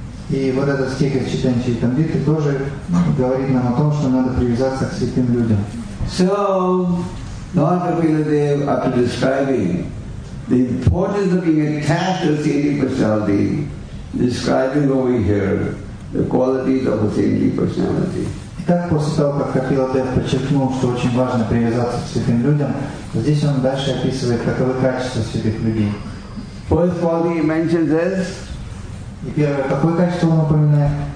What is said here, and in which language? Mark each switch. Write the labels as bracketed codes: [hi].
[ru] И вот этот стих из Читания Чайтамриты тоже говорит нам о том, что надо привязаться к святым людям. [en] So, Lord Kapila Dev, after describing the importance of being attached to a saintly personality, describing over here the qualities of a saintly personality. [ru] Итак, после того, как Капила Дев подчеркнул, что очень важно привязаться к святым людям, здесь он дальше описывает, каковы качества святых людей. [en] First quality he mentions is, [ru] и первое, какое качество он упоминает?